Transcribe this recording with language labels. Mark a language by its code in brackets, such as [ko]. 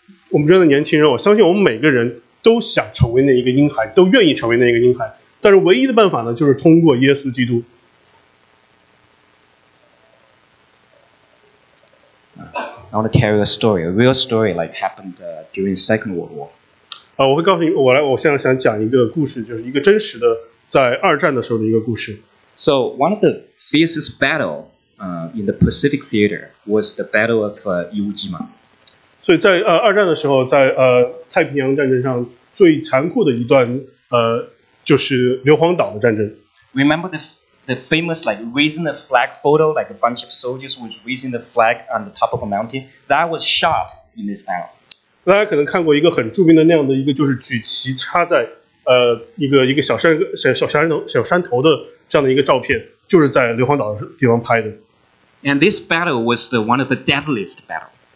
[zh] 我们这样的年轻人，我相信我们每个人都想成为那一个婴孩，都愿意成为那一个婴孩。但是唯一的办法呢，就是通过耶稣基督。 [en] I want to tell you a story, a real story like happened during the Second World War. [zh] 我会告诉你，我现在想讲一个故事，就是一个真实的在二战的时候的一个故事。 [en] So one of the fiercest battles in the Pacific Theater was the Battle of Iwo Jima. [zh] 所以在二战的时候，在太平洋战争上最残酷的一段就是硫磺岛的战争。 [en] Remember the famous like raising the flag photo, like a bunch of soldiers was raising the flag on the top of a mountain, that was shot in this battle. [zh] 大家可能看过一个很著名的那样的一个，就是举旗插在一个小山头的这样的一个照片，就是在硫磺岛的地方拍的。 [en] And this battle was the one of the deadliest battle.